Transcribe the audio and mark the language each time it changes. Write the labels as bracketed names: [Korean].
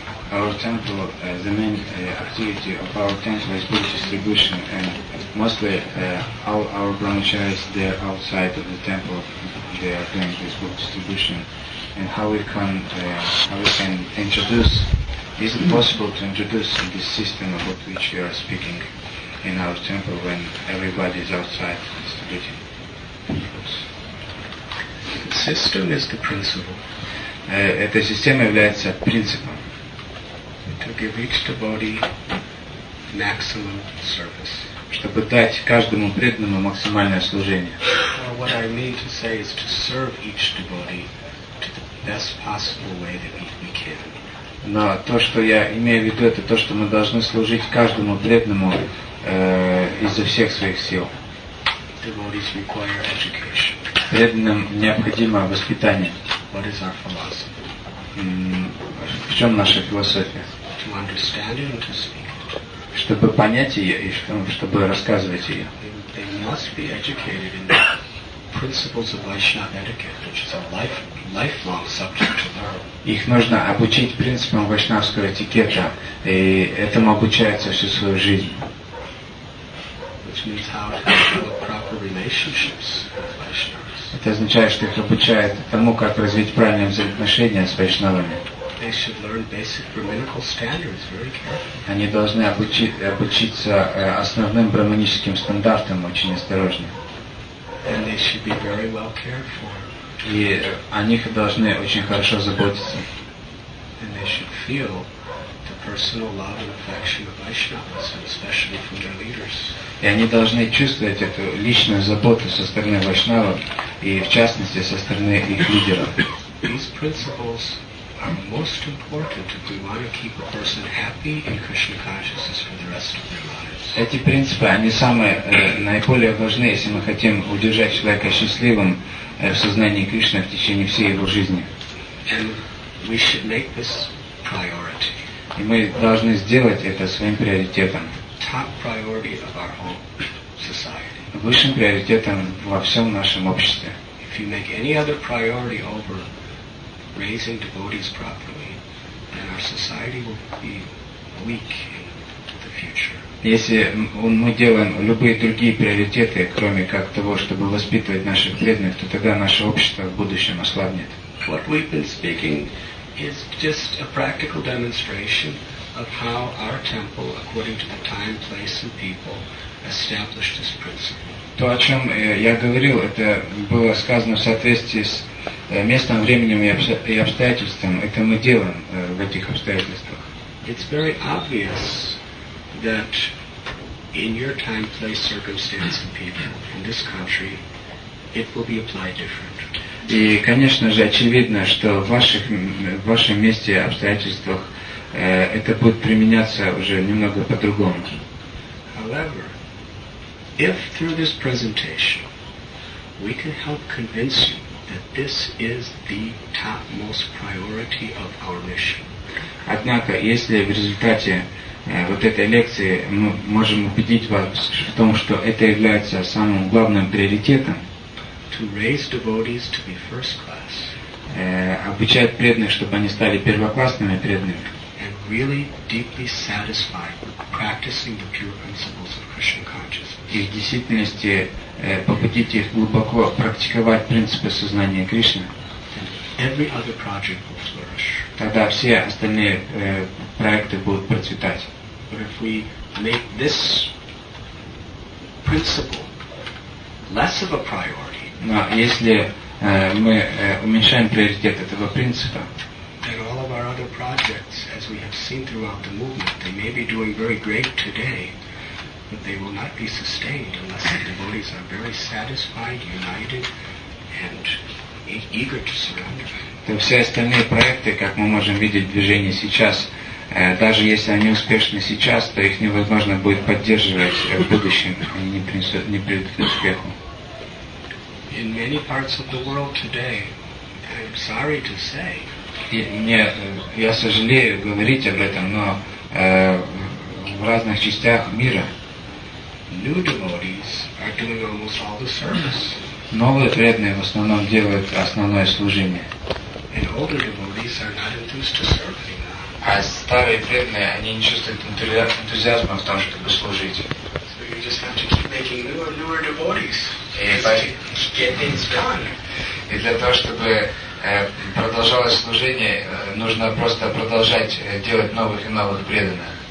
[English] Our temple, the main activity of our temple is book distribution, and mostly all our brahmacharis, they are outside of the temple, they are doing this book distribution. And how we can introduce, is it possible to introduce this system about which we are speaking in our temple when everybody is outside distributing books? System is the principle. [Russian] Эта система является принципом. [English] To give each devotee maximum service. [Russian] Чтобы дать каждому преданному максимальное служение. [English] Well, what I mean to say is to serve each devotee to the best possible way that we can. [Russian] Но то, что я имею в виду, это то, что мы должны служить каждому преданному изо всех своих сил. [English] Devotees require education. [Russian] Преданным необходимо воспитание. [English] What is our philosophy? [Russian] В чем наша философия? [English] To understand it and to speak it. [Russian] Чтобы понять ее и чтобы рассказывать ее. [English] They must be educated in the principles of Vaishnava etiquette, which is a lifelong subject to learn. [Russian] Их нужно обучить принципам вайшнавского этикета, и этому обучается всю свою жизнь. [English] Which means how to develop proper relationships with Vaishnava. [Russian] Это означает, что их обучают тому, как развить правильные взаимоотношения с вайшнавами. [English] They should learn basic brahminical standards very carefully. [Russian] Они должны обучиться основным брахманическим стандартам очень осторожно. [English] And they should be very well cared for. [Russian] И о них должны очень хорошо заботиться. [English] And they should feel the personal love and affection of Vaishnavas, especially from their leaders. [Russian] И они должны чувствовать эту личную заботу со стороны вайшнавов и в частности со стороны их лидеров. [English] These principles are most important if we want to keep a person happy in Krishna consciousness for the rest of their lives. [Russian] Эти принципы, они самые наиболее важны, если мы хотим удержать человека счастливым в сознании Кришны в течение всей его жизни. [English] And we should make this priority. [Russian] И мы должны сделать это своим приоритетом. [English] Top priority of our whole society. [Russian] Высшим приоритетом во всем нашем обществе. [English] If you make any other priority over raising devotees properly, then our society will be weak in the future. [Russian] Если мы делаем любые другие приоритеты, кроме как того, чтобы воспитывать наших преданных, то тогда наше общество в будущем ослабнет. [English] What we've been speaking is just a practical demonстration of how our temple, according to the time, place, and people, established this principle. [Russian] То, о чем я говорил, это было сказано в соответствии с местом, временем и обстоятельствами. Это мы делаем в этих обстоятельствах. [English] It's very obvious that in your time, place, circumstance, and people in this country, it will be applied differently. [Russian] И, конечно же, очевидно, что в вашем месте, обстоятельствах это будет применяться уже немного по-другому. [English] However, if through this presentation we can help convince you that this is the topmost priority of our mission. [Russian] Однако, если в результате вот этой лекции мы можем убедить вас в том, что это является самым главным приоритетом, [English] to raise devotees to be first class. [Russian] Обучать преданных, чтобы они стали первоклассными преданными. [English] And really deeply satisfied with practicing the pure principles of Krishna consciousness. [Russian] И в действительности побудить их глубоко практиковать принципы сознания Кришны. [English] And every other project will flourish. [Russian] Тогда все остальные проекты будут процветать. [English] But if we make this principle less of a priority. [Russian] Но если мы уменьшаем приоритет этого принципа, [English] then all of our other projects, as we have seen throughout the movement, they may be doing very great today, but they will not be sustained unless the devotees are very satisfied, united, and eager to surrender. [Russian] То все остальные проекты, как мы можем видеть в движении сейчас, даже если они успешны сейчас, то их невозможно будет поддерживать в будущем, они не приведут к успеху. [English] In many parts of the world today, I'm sorry to say. [Russian] Я сожалею говорить об этом, но в разных частях мира [English] new devotees are doing almost all the service. [Russian] Новые преданные в основном делают основное служение. [English] And older devotees are not enthused to serve anymore. [Russian] А старые преданные, они не чувствуют энтузиазма в том, чтобы служить. [English] So you just have to keep making newer devotees. [Russian] И для того, чтобы продолжалось служение, нужно просто продолжать делать новых и новых преданных.